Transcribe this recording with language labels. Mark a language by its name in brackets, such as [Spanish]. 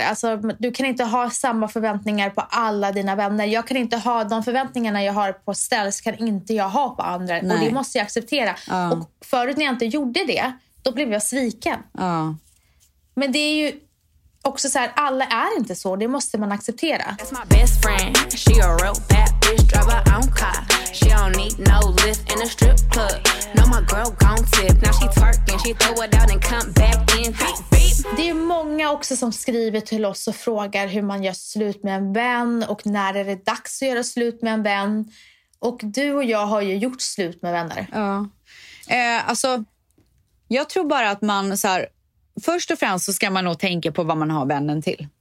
[Swedish] Alltså, du kan inte ha samma förväntningar på alla dina vänner. Jag kan inte ha de förväntningarna jag har på ställs, kan inte jag ha på andra. Nej. Och det måste jag acceptera. Ja. Och förut när jag inte gjorde det, då blev jag sviken. Ja. Men det är ju också så här, alla är inte så. Det måste man acceptera. [English] That's my best friend. She a real bad bitch, driver on car. She don't need no lift in a strip club. No, my girl gone tip. Now she twerking, she throw it out and come back in. [Swedish] Det är många också som skriver till oss och frågar hur man gör slut med en vän och när är det dags att göra slut med en vän. Och du och jag har ju gjort slut med vänner. Ja. Alltså, jag tror bara att man så här, först och främst så ska man nog tänka på vad man har vännen till.